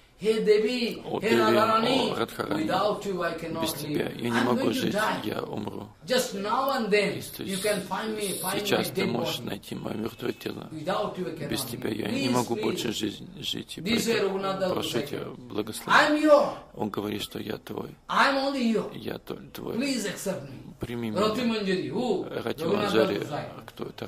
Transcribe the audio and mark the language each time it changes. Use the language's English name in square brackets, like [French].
[English] Hey Devi, hey Radharani, without you I cannot [Russian] Без тебя я не могу жить, я умру. [English] Just now and then you can find me, find my dead [Russian] Сейчас ты можешь найти мое мертвое тело. Без тебя я не могу больше жить. Прошу тебя, благослови. Он говорит, что я твой. [English] I'm only your. [Russian] Я твой. [English] Please accept me. [Russian] Прими меня. [English] Ратиманджари, who? [Russian] Ратиманджари, кто это?